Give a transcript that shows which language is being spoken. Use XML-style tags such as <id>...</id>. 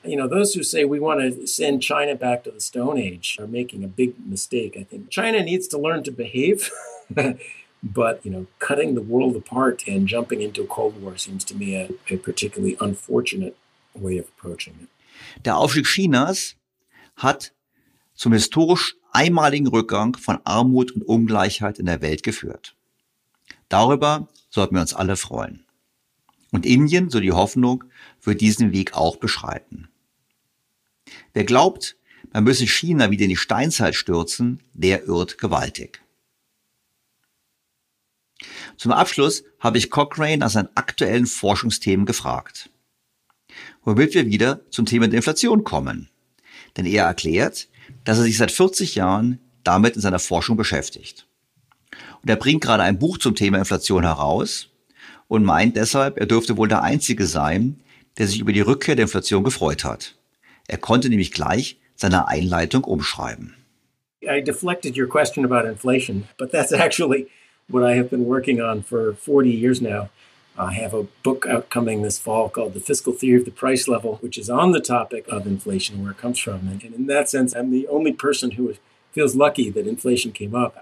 <en>Those who say we want to send China back to the Stone Age are making a big mistake, I think. China needs to learn to behave. But, cutting the world apart and jumping into a Cold War seems to me a particularly unfortunate way of approaching it.</en> <de>Der Aufstieg Chinas hat zum historisch einmaligen Rückgang von Armut und Ungleichheit in der Welt geführt. Darüber sollten wir uns alle freuen. Und Indien, so die Hoffnung, wird diesen Weg auch beschreiten. Wer glaubt, man müsse China wieder in die Steinzeit stürzen, der irrt gewaltig. Zum Abschluss habe ich Cochrane nach seinen aktuellen Forschungsthemen gefragt. Womit wir wieder zum Thema der Inflation kommen. Denn er erklärt, dass er sich seit 40 Jahren damit in seiner Forschung beschäftigt. Und er bringt gerade ein Buch zum Thema Inflation heraus und meint deshalb, er dürfte wohl der Einzige sein, der sich über die Rückkehr der Inflation gefreut hat. Er konnte nämlich gleich seine Einleitung umschreiben.</de> <en>I deflected your question about inflation, but that's actually what I have been working on for 40 years now. I have a book out coming this fall called The Fiscal Theory of the Price Level, which is on the topic of inflation, where it comes from. And in that sense, I'm the only person who feels lucky that inflation came up.</en>